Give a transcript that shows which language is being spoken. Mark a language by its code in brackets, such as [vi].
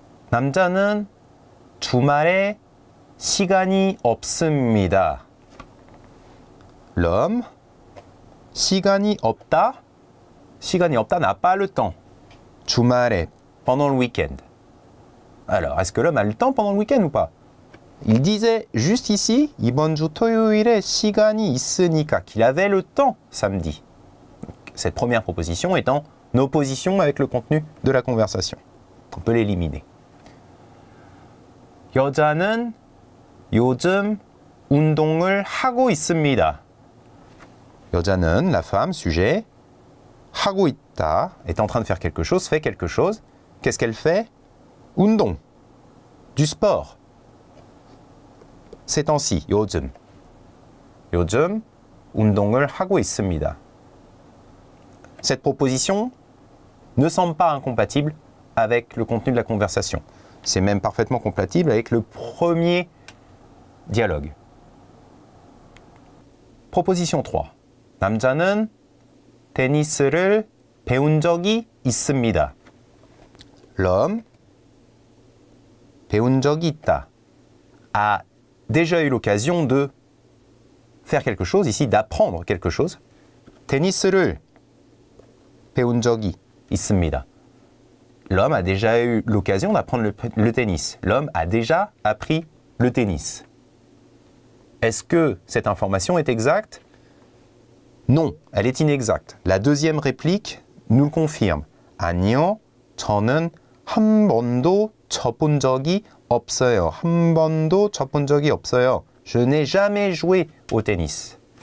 [ko] 남자는 주말에 시간이 없습니다. [fr] L'homme. [ko] 시간이 없다. 시간이 없다 [fr] n'a pas le temps. [ko] 주말에, [fr] pendant le week-end. Alors, est-ce que l'homme a le temps pendant le week-end ou pas? Il disait juste ici, [ko] 이번 주 토요일에 시간이 있으니까, [fr] qu'il avait le temps samedi. Cette première proposition est en opposition avec le contenu de la conversation. On peut l'éliminer. [ko] 여자는 요즘 운동을 하고 있습니다. 여자는, [fr] la femme, sujet, [ko] 하고 있다, [fr] est en train de faire quelque chose, fait quelque chose. Qu'est-ce qu'elle fait? [ko] 운동, [fr] du sport. Ces temps-ci, [ko] 요즘. 요즘 운동을 하고 있습니다. [fr] Cette proposition ne semble pas incompatible avec le contenu de la conversation. C'est même parfaitement compatible avec le premier dialogue. Proposition 3. [ko] 남자는 테니스를 배운 적이 있습니다. [fr] L'homme [ko] 배운 적이 있다. [fr] A déjà eu l'occasion de faire quelque chose ici, d'apprendre quelque chose. [ko] 테니스를 배운 적이 있습니다. [fr] L'homme a déjà eu l'occasion d'apprendre le tennis. L'homme a déjà appris le tennis. Est-ce que cette information est exacte? Non, elle est inexacte. La deuxième réplique nous le confirme. [ko] 아니요, 저는 한 번도 쳐본 적이 없어요. 한 번도 쳐본 적이 없어요. [fr] Je n'ai jamais joué au tennis.